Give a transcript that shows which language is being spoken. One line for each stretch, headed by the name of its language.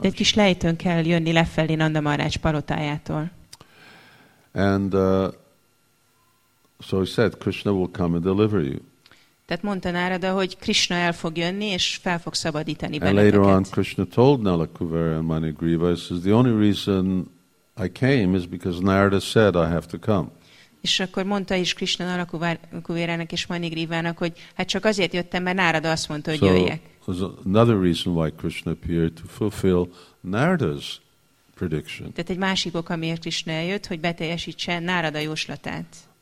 Hungarian: De egy kis lejtőn kell jönni lefelé Nanda Maharaj palotájától.
English: And so he said, Krishna will come and deliver you.
Hungarian: Tehát mondta Narada, hogy Krishna el fog jönni és fel fog szabadítani benneteket.
English: And later on, Krishna told Nalakuvera and Manigriva, he says, the only reason I came is because Narada said I have to come.
Hungarian: És akkor mondta is Krishna Nalakuvérának és Manigrivának, hogy hát csak azért jöttem, mert Narada azt mondta, hogy jöjjek.
English: So there's another reason why Krishna appeared, to fulfill Narada's prediction.
Hungarian: Tehát egy másik ok, amiért Krishna eljött, hogy beteljesítse Narada jóslatát.